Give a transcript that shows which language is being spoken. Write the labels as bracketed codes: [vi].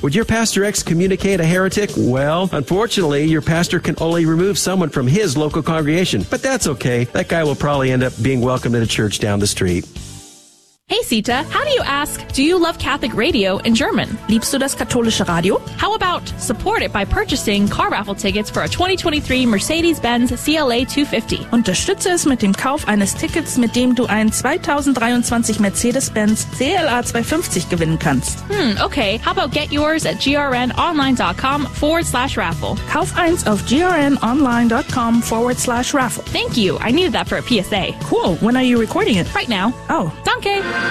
[en] Would your pastor excommunicate a heretic? Well, unfortunately, your pastor can only remove someone from his local congregation. But that's okay. That guy will probably end up being welcomed at a church down the street. Hey Sita, how do you ask, do you love Catholic radio in German? [de] Liebst du das katholische Radio? [en] How about support it by purchasing car raffle tickets for a 2023 Mercedes-Benz CLA 250? [de] Unterstütze es mit dem Kauf eines Tickets, mit dem du ein 2023 Mercedes-Benz CLA 250 gewinnen kannst. [en] Okay. How about get yours at grnonline.com/raffle? [de] Kauf eins auf grnonline.com/raffle. [en] Thank you. I needed that for a PSA. Cool. When are you recording it? Right now. Oh. [de] Danke.